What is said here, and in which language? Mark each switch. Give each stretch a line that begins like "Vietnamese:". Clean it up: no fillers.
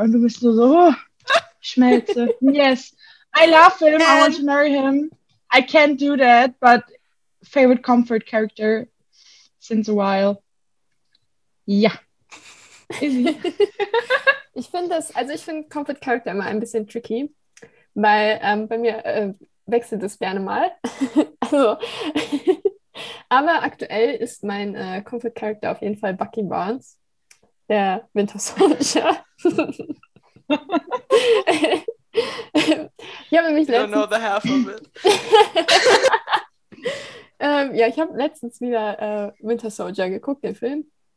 German: Und du bist so, oh, schmelze.
English: Yes. I love him. I want to marry him. I can't do that. But favorite comfort character since a while. Yeah. Easy.
German: Ich finde comfort character immer ein bisschen tricky. Weil bei mir wechselt es gerne mal. Also. Aber aktuell ist mein comfort character auf jeden Fall Bucky Barnes. Der Winter Soldier. Ich habe letztens wieder Winter Soldier geguckt, den Film.